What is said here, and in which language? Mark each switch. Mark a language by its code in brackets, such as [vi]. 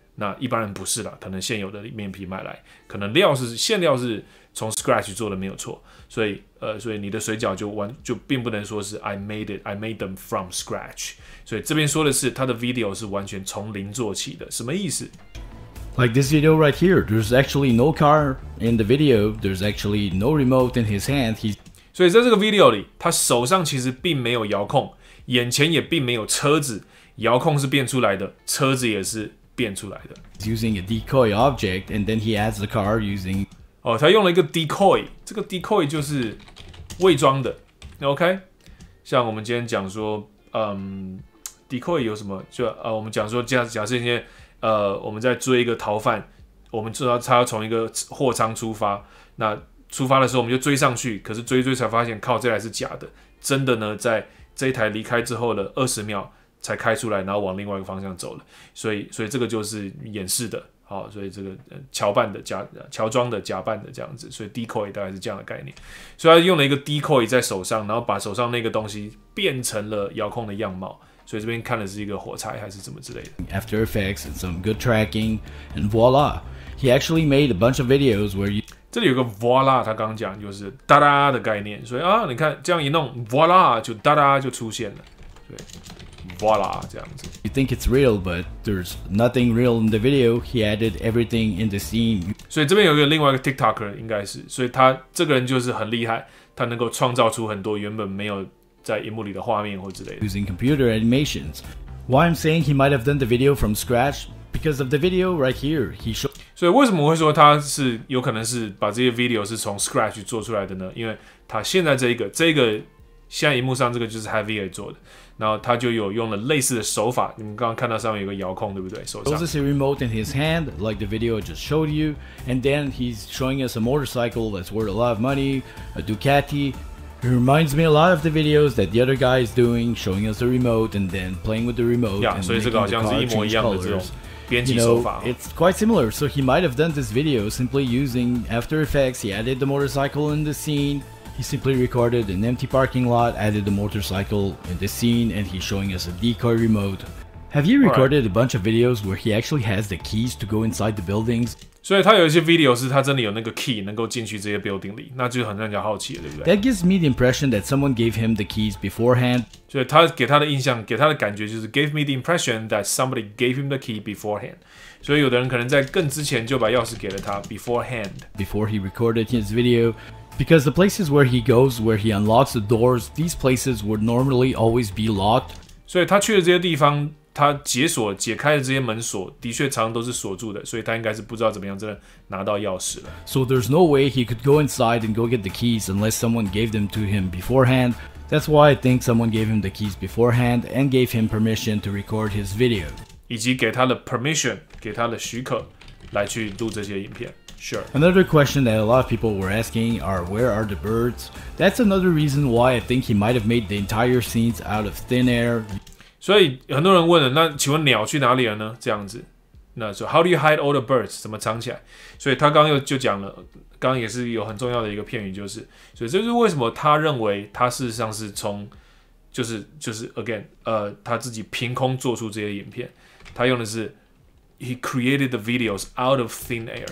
[zh] 那一般人不是啦，可能现有的面皮买来，可能料是馅料是从 scratch 做的没有错。所以你的水饺就并不能说是 [en] I made them from scratch。 [zh] 所以这边说的是他的 video 是完全从零做起的，什么意思 [en] ？Like this video right here, there's actually no car in the video. There's actually no remote in his hand. He [zh] 所以在这个 video 里，他手上其实并没有遥控，眼前也并没有车子，遥控是变出来的，车子也是变出来的。 [en] He's using a decoy object, and then he adds the car using. [zh] 哦，他用了一个 decoy， 这个 decoy 就是伪装的 ，OK？像我们今天讲说，decoy 有什么？就我们讲说假设今天我们在追一个逃犯，我们知道他要从一个货仓出发，那出发的时候我们就追上去，可是追才发现，靠，这台是假的，真的呢，在这一台离开之后的20秒才开出来，然后往另外一个方向走了，所以这个就是掩饰的。好，所以这个乔装的假扮的这样子，所以 decoy 大概是这样的概念。所以他用了一个 decoy 在手上，然后把手上那个东西变成了遥控的样貌。所以这边看的是一个火柴还是什么之类的。 [en] After Effects and some good tracking, and voila, he actually made a bunch of videos where you [zh] 这里有个 voila， 他刚讲就是哒哒的概念。所以啊，你看这样一弄 ，voila 就哒哒就出现了。对。Voila, 这样子。 [en] You think it's real, but there's nothing real in the video. He added everything in the scene. [zh] 所以这边有一个另外一个 TikToker， 应该是，所以他这个人就是很厉害，他能够创造出很多原本没有在荧幕里的画面或之类的。 [en] Using computer animations. Why I'm saying he might have done the video from scratch because of the video right here. He showed. [zh] 所以为什么我会说他是有可能是把这些 video 是从 scratch 做出来的呢？因为他现在这个现在荧幕上这个就是 Javier 做的。然后他就有用了类似的手法，你们刚刚看到上面有个遥控，对不对？手上。 [en] He has a remote in his hand, like the video just showed you, and then he's showing us a motorcycle that's worth a lot of money, a Ducati. It reminds me a lot of the videos that the other guy is doing, showing us a remote and then playing with the remote. [zh] Yeah, 所以这个好像是一模一样的这种编辑手法。 [en] You know, it's quite similar. So he might have done this video simply using After Effects. He added the motorcycle in the scene. He simply recorded an empty parking lot, added the motorcycle in the scene, and he's showing us a decoy remote. Have you recorded a bunch of videos where he actually has the keys to go inside the buildings? [zh] 所以他有一些 video 是他真的有那个 key 能够进去这些 building 里，那就很让人好奇了，对不对？ [en] That gives me the impression that someone gave him the keys beforehand. [zh] 所以他给他的印象，给他的感觉就是 [en] gave me the impression that somebody gave him the key beforehand. [zh] 所以有的人可能在更之前就把钥匙给了他 [en] beforehand. Before he recorded his video. Because the places where he goes, where he unlocks the doors, these places would normally always be locked. [zh] 所以他去的这些地方，他解开的这些门锁，的确常常都是锁住的。所以他应该是不知道怎么样真的拿到钥匙了。 [en] So there's no way he could go inside and go get the keys unless someone gave them to him beforehand. That's why I think someone gave him the keys beforehand and gave him permission to record his video. [zh] 以及给他的 permission， 给他的许可，来去录这些影片。 [en] Sure. Another question that a lot of people were asking are where are the birds? That's another reason why I think he might have made the entire scenes out of thin air. [zh] 所以很多人问了，那请问鸟去哪里了呢？这样子，那说 [en] How do you hide all the birds? [zh] 怎么藏起来？所以他刚刚又就讲了，刚刚也是有很重要的一个片语，就是，所以这是为什么他认为他事实上是从，就是 again， 他自己凭空做出这些影片，他用的是。 [en] He created the videos out of thin air.